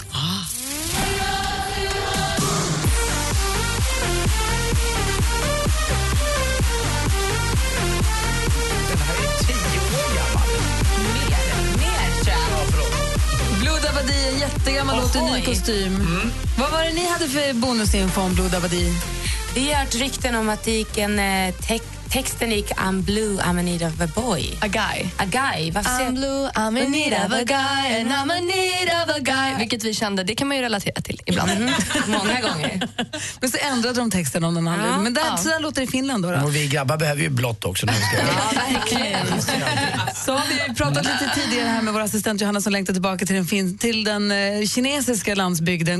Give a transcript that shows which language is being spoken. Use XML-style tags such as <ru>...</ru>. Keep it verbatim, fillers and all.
<sv>Ah. Den här är tio år gammal. Mer, mer kär. Blue Dabadi är en jättegammal låt i ny kostym. Mm. Vad var det ni hade för bonusinfo om Blue Dabadi? Vi har hört rykten om att det gick en te- texten gick</sv> <en>I'm blue, I'm in need of a boy. A guy. A guy.</en> <sv>Varför</sv> <en>I'm</en> <sv>jag...</sv> <en>blue, I'm in need of a guy and I'm in need of a guy.</en> <sv>Vilket vi kände, det kan man ju relatera till ibland. Mm-hmm. Många gånger. Men så ändrade de texten om den andra. Ja. Men där, ja. Så där låter det i Finland då. då. Och vi grabbar behöver ju blått också. När vi ska. Ja, verkligen. Så har vi pratat lite tidigare här med vår assistent Johanna som längtar tillbaka till den, fin- till den eh, kinesiska landsbygden.</sv>